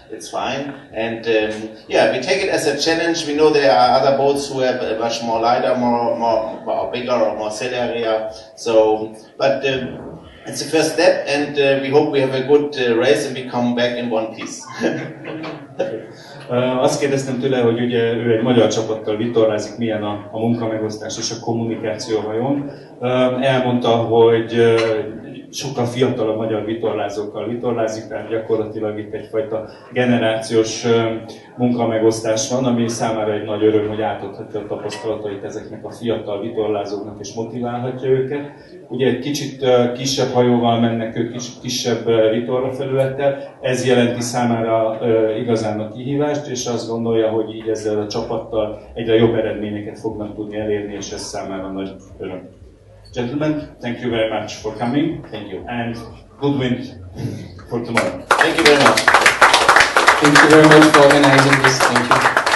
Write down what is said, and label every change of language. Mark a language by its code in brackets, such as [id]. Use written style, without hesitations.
[en] It's fine, and we take it as a challenge. We know there are other boats who have a much more lighter, more bigger or more sail area. So, but it's the first step, and we hope we have a good race and we come back in one piece. [hu] Azt kérdeztem tőle, hogy ugye ő egy magyar csapattal vitorlázik, milyen a munkamegosztás és a kommunikáció hajón. Elmondta, hogy sokkal fiatalabb magyar vitorlázókkal vitorlázik, tehát gyakorlatilag itt egyfajta generációs munkamegosztás van, ami számára egy nagy öröm, hogy átadhatja a tapasztalatait ezeknek a fiatal vitorlázóknak és motiválhatja őket. Ugye egy kicsit kisebb hajóval mennek ők, kisebb vitorla felülettel, ez jelenti számára igazán a kihívást, és azt gondolja, hogy így ezzel a csapattal egyre jobb eredményeket fognak tudni elérni, és ez számára nagy öröm. [en] Gentlemen, thank you very much for coming. Thank you. And good wind for tomorrow. Thank you very much. Thank you very much for organizing this. Thank you.